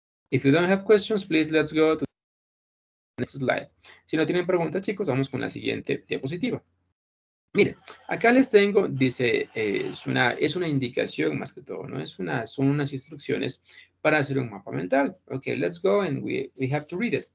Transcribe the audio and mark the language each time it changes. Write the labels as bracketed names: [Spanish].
[English] If you don't have questions, please let's go to the next slide. [Spanish] Si no tienen preguntas, chicos, vamos con la siguiente diapositiva. Miren, acá les tengo, dice, es una indicación más que todo, ¿no? Son unas instrucciones para hacer un mapa mental. [English] Ok, let's go and we have to read it.